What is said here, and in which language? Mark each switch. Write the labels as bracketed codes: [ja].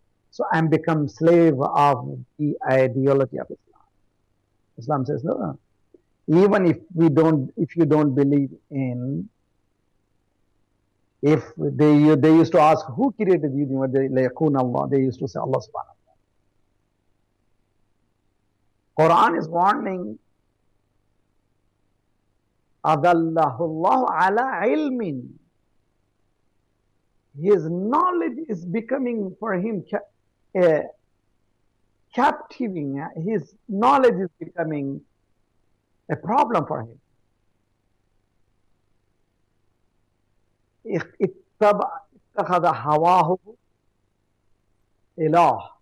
[en] So I'm become slave of the ideology of Islam. Islam says, no. Even if you don't believe in, if they used to ask who created the universe, they used to say Allah subhanahu wa ta'ala. Quran is warning, [ar] أَذَلَّهُ اللَّهُ عَلَىٰ عِلْمٍ. [en] His knowledge is becoming for him captivating. His knowledge is becoming a problem for him. [ar] اتخذ هواه إله.